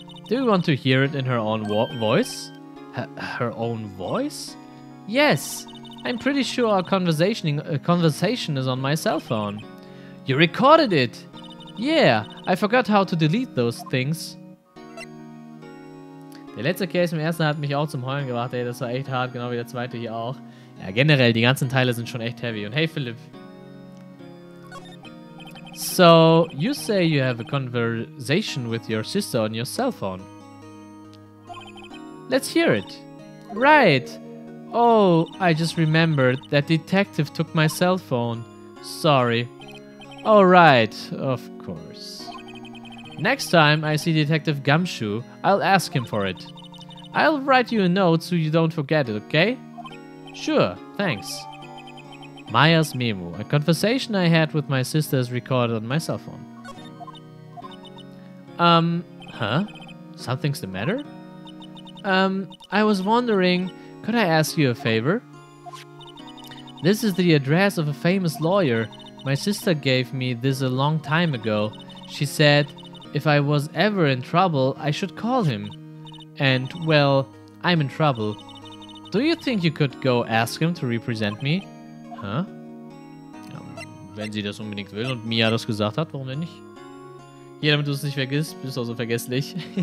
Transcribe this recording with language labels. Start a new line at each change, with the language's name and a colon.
English: Do you want to hear it in her own voice? Her own voice? Yes, I'm pretty sure our conversation is on my cell phone. You recorded it! Yeah, I forgot how to delete those things.
German: Der letzte Case im ersten hat mich auch zum Heulen gebracht, ey, das war echt hart, genau wie der zweite hier auch. Ja, generell, die ganzen Teile sind schon echt heavy. Und hey, Philipp.
English: So, you say you have a conversation with your sister on your cell phone. Let's hear it. Right. Oh, I just remembered that detective took my cell phone. Sorry. Oh, right, of course. Next time I see Detective Gumshoe, I'll ask him for it. I'll write you a note so you don't forget it, okay? Sure, thanks. Maya's memo. A conversation I had with my sister is recorded on my cell phone. Huh? Something's the matter? I was wondering, could I ask you a favor? This is the address of a famous lawyer. My sister gave me this a long time ago. She said, if I was ever in trouble, I should call him. And, well, I'm in trouble. Do you think you could go ask him to represent me? Huh?
German: Ja, wenn sie das unbedingt will und Mia das gesagt hat, warum denn nicht? Hier, damit du es nicht vergisst, bist du auch so vergesslich.